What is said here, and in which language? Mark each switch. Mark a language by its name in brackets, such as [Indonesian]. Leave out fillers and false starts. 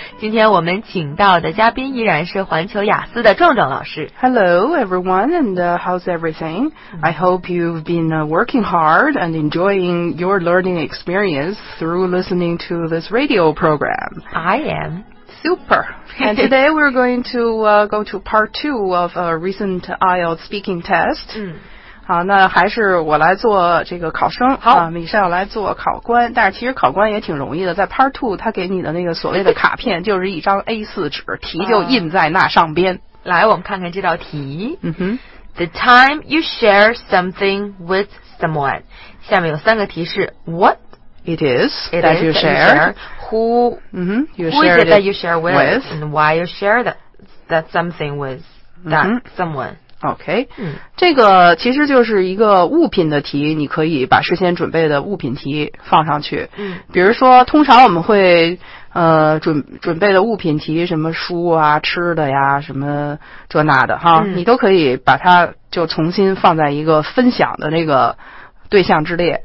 [Chinese] 今天我们请到的嘉宾依然是环球雅思的壮壮老师。 [English] Hello everyone and how's everything? I hope you've been working hard and enjoying your learning experience through listening to this radio program. I am. Super. And today we're going to go to part two of a recent IELTS speaking test. [Chinese] 好，那还是我来做这个考生。好，米歇尔来做考官。但是其实考官也挺容易的，在 part two 他给你的那个所谓的卡片就是一张 A4 纸，题就印在那上边。来，我们看看这道题。嗯哼。 [English] The time you share something with someone. [Chinese] 下面有三个提示。 What? [English] It is, it that, is you share. Who,、 mm-hmm, you who is it that you share with, with? And why you share that something with that、 mm-hmm. someone. Okay.、Mm. [Chinese] 这个其实就是一个物品的题，你可以把事先准备的物品题放上去。 Mm. 比如说通常我们会、准备的物品题什么书啊吃的呀什么这那的哈、 mm. 你都可以把它就重新放在一个分享的那个对象之列、